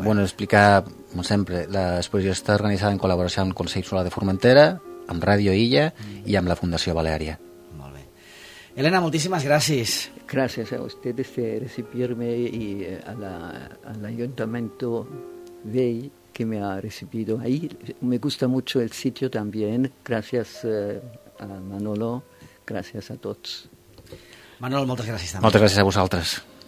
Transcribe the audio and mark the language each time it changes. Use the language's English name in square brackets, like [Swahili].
[Catalan] Explicar, com sempre, l'exposició està organitzada en col·laboració amb el Consell Solà de Formentera, amb Ràdio Illa i amb la Fundació Baleària. Molt bé. Elena, moltíssimes gràcies. Gràcies a vostès de recibir-me i a l'Ajuntament Vell, [Spanish] que me ha recibido ahí. Me gusta mucho el sitio también. Gracias a Manolo, gracias a todos. [Catalan] Manolo, moltes gràcies també. Moltes gràcies a vosaltres.